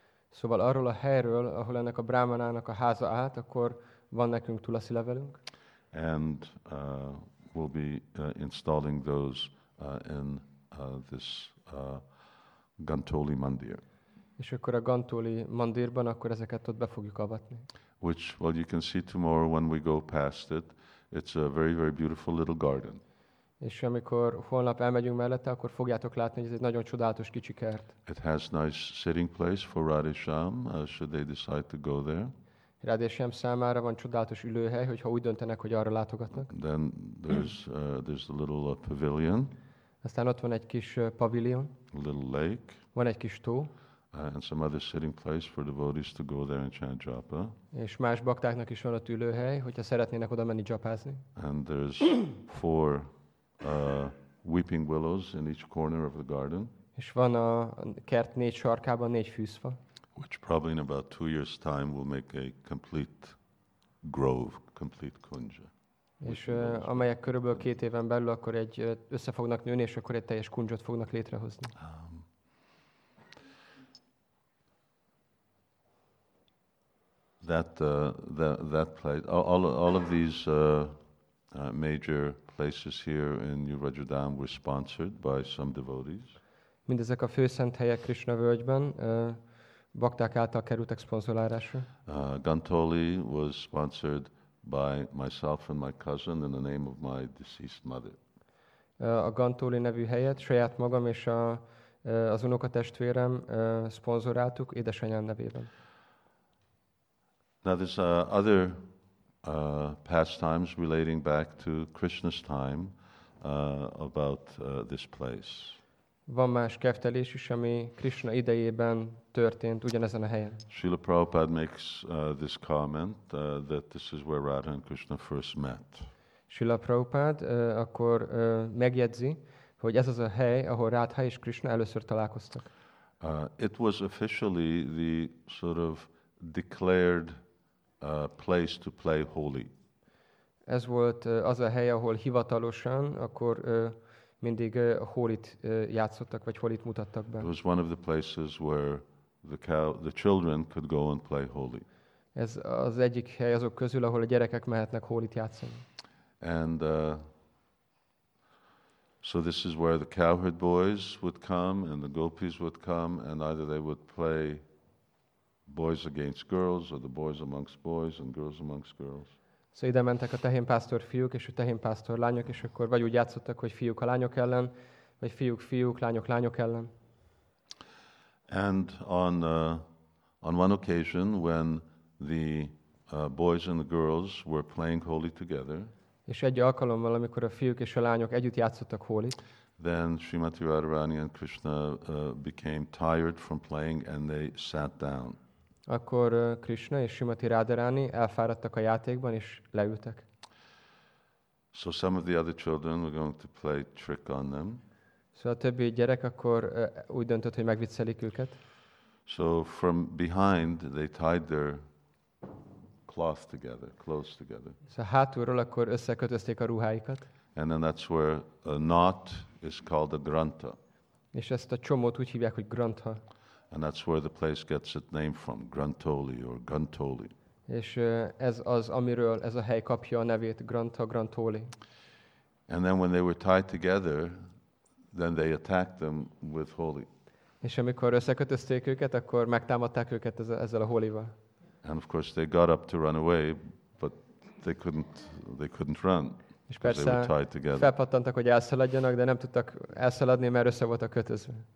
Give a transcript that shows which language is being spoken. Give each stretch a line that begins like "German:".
Hungarian: Szóval arról a helyről, ahol ennek a brahmanának a háza állt, akkor van nekünk tulsi levelünk.
English: And we'll be installing those in this Gantoli Mandir.
Hungarian: És akkor a Gantoli Mandirban akkor ezeket ott be fogjuk avatni.
English: Which, well, you can see tomorrow when we go past it. It's a very, very beautiful little garden.
Hungarian: És amikor holnap elmegyünk mellette, akkor fogjátok látni, hogy ez egy nagyon csodálatos kicsi kert.
English: It has nice sitting place for Radhasyam, should they decide to go there.
Hungarian: Radhasyam számára van csodálatos ülőhely, hogyha úgy döntenek, hogy arra látogatnak.
English: Then there's a little pavilion.
Hungarian: Aztán ott van egy kis pavilion.
English: A little lake.
Hungarian: Van egy kis tó.
English: And some other sitting place for devotees to go there and chant japa.
Hungarian: És más baktáknak is van ott ülőhely, hogyha szeretnének oda menni japázni.
English: And there's four weeping willows in each corner of the garden.
Hungarian: És van a kert négy sarkában négy fűzfa.
English: Which probably in about 2 years' time will make a complete grove, complete kunja.
Hungarian: És amelyek körülbelül két éven belül akkor egy össze fognak nőni, és akkor egy teljes kunjot fognak létrehozni.
English: That place, all of these major places here in New Rajadam were sponsored by some devotees.
Hungarian: Mindezek a főszent helyek Krishna völgyben bakták által kerültek szponzorálásra.
English: Gantoli was sponsored by myself and my cousin in the name of my deceased mother.
Hungarian: A Gantoli nevű helyet saját magam és az unokatestvérem szponzoráltuk édesanyám nevében.
English: Now there's other pastimes relating back to Krishna's time about this place.
Hungarian: Van más keftelés is, ami Krishna idejében történt ugyanezen a helyen.
English: Srila Prabhupada makes this comment that this is where Radha and Krishna first met.
Hungarian: Srila Prabhupada akkor megjegyzi, hogy ez az a hely, ahol Radha és Krishna először találkoztak.
English: It was officially the sort of declared place to play holy.
Hungarian: Ez volt az a hely, ahol hivatalosan akkor mindig holit játszottak, vagy holit mutattak be.
English: It was one of the places where the children could go and play holy.
Hungarian: Ez az egyik hely azok közül, ahol a gyerekek mehetnek holit játszani.
English: And so this is where the cowherd boys would come and the gopis would come, and either they would play boys against girls or the boys amongst boys and girls amongst girls.
Hungarian: So ide mentek a tehén pásztor fiúk és a tehén pásztor lányok, és akkor vagy úgy játszottak, hogy fiúk a lányok ellen, vagy fiúk fiúk, lányok lányok ellen.
English: And on one occasion when the boys and the girls were playing holy together,
Hungarian: és egy alkalommal, amikor a fiúk és a lányok együtt játszottak holit,
English: then Srimati Radharani and Krishna became tired from playing and they sat down.
Hungarian: Akkor Krishna és Srimati Radharani elfáradtak a játékban és leültek.
English: So some of the other children were going to play trick on them.
Hungarian: So a többi gyerek akkor úgy döntött, hogy megviccelik őket.
English: So from behind they tied their cloth together, clothes together.
Hungarian: So hátulról akkor összekötözték a ruháikat.
English: And then that's where a knot is called a grantha.
Hungarian: És ezt a csomót úgy hívják, hogy grantha.
English: And that's where the place gets its name from, Grantoli or Gantoli.
Hungarian: És ez az, amiről ez a hely kapja a nevét, Grantha, Grantoli.
English: And then when they were tied together, then they attacked them with holy.
Hungarian: És amikor összekötözték őket, akkor megtámadták őket ezzel a holival.
English: And of course they got up to run away, but they couldn't run.
Hungarian: És persze felpattantak, hogy elszaladjanak, de nem tudtak elszaladni, mert össze voltak kötözve.